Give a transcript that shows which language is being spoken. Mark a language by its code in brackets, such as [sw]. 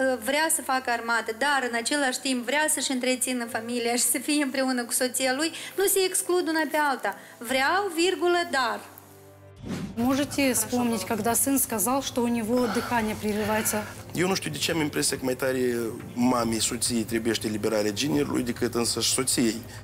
[ro] vrea să facă armată, dar în același timp vrea să-și întrețină familia și să fie împreună cu soția lui, nu se exclud una pe alta. Vreau, virgulă, dar. [ru] Можете вспомнить, когда сын сказал, что у него дыхание прерывается? [ro] Eu nu știu de ce am impresia că mai tare mamei, soției trebuiește liberarea generului decât însăși soției.